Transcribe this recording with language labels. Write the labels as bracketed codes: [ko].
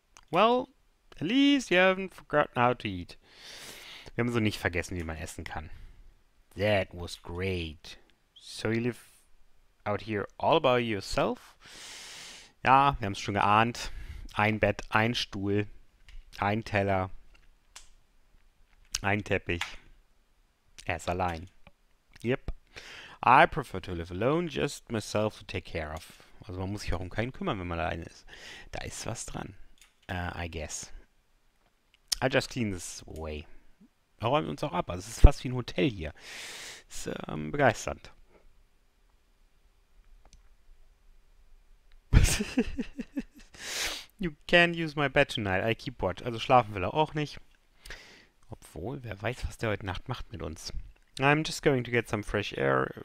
[en] Well, at least you haven't forgotten how to eat. [de] Wir haben so nicht vergessen, wie man essen kann. [en] That was great. So you live out here all by yourself? [de] Ja, wir haben es schon geahnt. Ein Bett, ein Stuhl, ein Teller, ein Teppich. Er ist allein. Yep. [en] I prefer to live alone, just myself to take care of. [de] Also man muss sich auch um keinen kümmern, wenn man alleine ist. Da ist was dran. [en] I guess. I'll just clean this away. [de] Da räumen wir uns auch ab. Also es ist fast wie ein Hotel hier. Ist begeisternd. [en] You can't use my bed tonight. I keep watch. [de] Also schlafen will er auch nicht. Obwohl, wer weiß, was der heute Nacht macht mit uns. [en] I'm just going to get some fresh air.